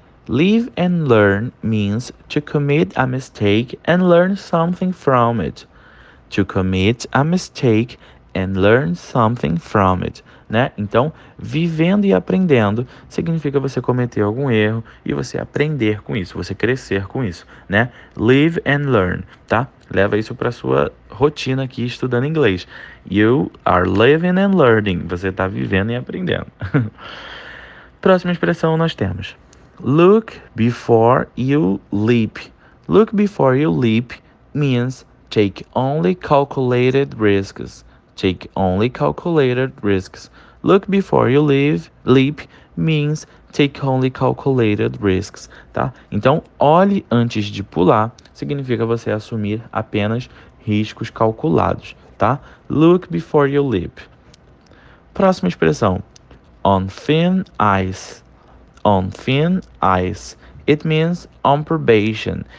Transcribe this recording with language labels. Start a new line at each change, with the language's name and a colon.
English: Live and learn means to commit a mistake and learn something from it. To commit a mistake and learn something from it, né?
Portuguese: Então, vivendo e aprendendo significa você cometer algum erro e você aprender com isso, você crescer com isso, né?
English: Live and learn,
Portuguese: tá? Leva isso para sua rotina aqui estudando inglês.
English: You are living and learning.
Portuguese: Você está vivendo e aprendendo. Próxima expressão nós temos:
English: Look before you leap. Look before you leap means take only calculated risks. Take only calculated risks. Look before you leap means take only calculated risks, tá?
Portuguese: Então, olhe antes de pular, significa você assumir apenas riscos calculados, tá?
English: Look before you leap.
Portuguese: Próxima expressão:
English: on thin ice. On thin ice. It means on probation.